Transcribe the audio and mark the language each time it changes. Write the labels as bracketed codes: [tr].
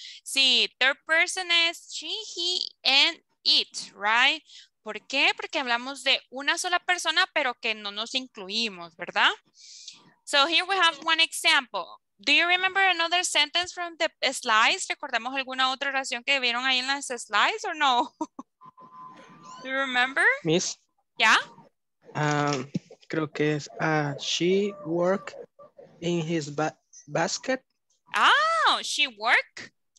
[es] Sí, [en] third person es she, he, and it, right? [es] ¿Por qué? Porque hablamos de una sola persona, pero que no nos incluimos, ¿verdad? [en] So here we have one example. Do you remember another sentence from the slides? [es] ¿Recordamos alguna otra oración que vieron ahí en las slides or no? [en] Do you remember? Miss. Yeah. [es] Creo que es [en] she work in his basket. Oh, she work